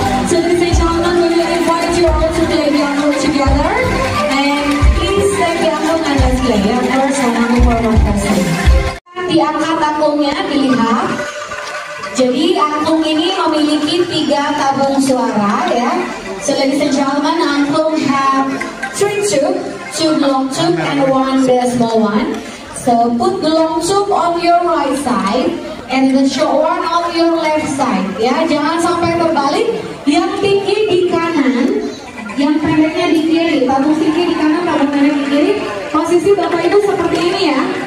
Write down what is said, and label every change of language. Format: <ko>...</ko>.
<en>So this is Angkat, we will invite you all to play the angklung together. And please take the angklung and let's play your first and only performance.</en> <id>Diangkat angklungnya, dilihat. Jadi angklung ini memiliki 3 tabung suara ya.</id> <en>So ladies and gentlemen, angklung have 3 tubes, 2 long tubes and 1 decimal one. So put the long tube on your right side and the short one on your left side.</en> <id>Ya, jangan sampai terbalik. Yang tinggi di kanan, yang pendeknya di kiri. Tabung tinggi di kanan, tabung pendek di kiri. Posisi Bapak Ibu seperti ini ya.</id>